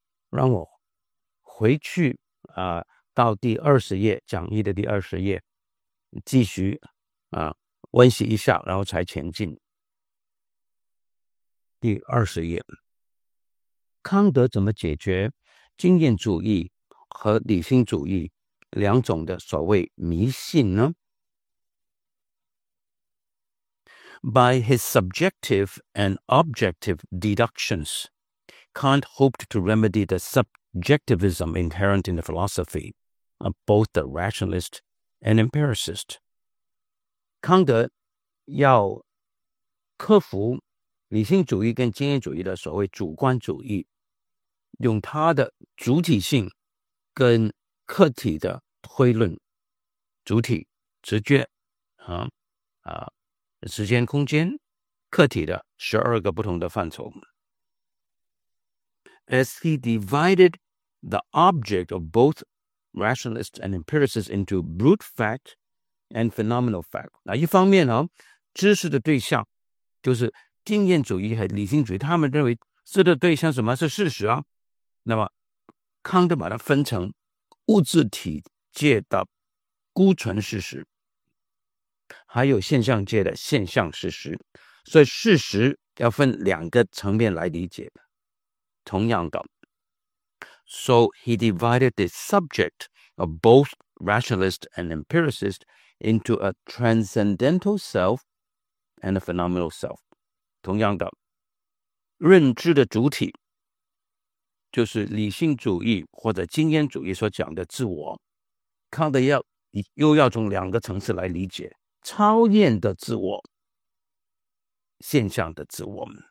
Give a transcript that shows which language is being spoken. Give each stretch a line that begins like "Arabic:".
Chinese: 让我回去到第二十页讲义的第二十页继续温习一下，然后才前进。第二十页，康德怎么解决经验主义和理性主义两种的所谓迷信呢？
English: By his subjective and objective deductions, Kant hoped to remedy the subjectivism inherent in the philosophy of both the rationalist and empiricist.
Chinese: 康德要克服理性主义跟经验主义的所谓主观主义，用他的主体性跟客体的推论，主体直觉时间空间，客体的十二个不同的范畴。
English: As he divided the object of both rationalists and empiricists into brute fact. And phenomenal fact.
Chinese: 那一方面呢，知识的对象就是经验主义和理性主义，他们认为知识的对象什么是事实啊？那么康德把它分成物质体界的孤存事实，还有现象界的现象事实。所以事实要分两个层面来理解。同样的
English: ，So he divided the subject of both rationalist and empiricist. Into a transcendental self and a phenomenal self.
Chinese: 同样的，认知的主体就是理性主义或者经验主义所讲的自我。康德又要从两个层次来理解，超验的自我，现象的自我。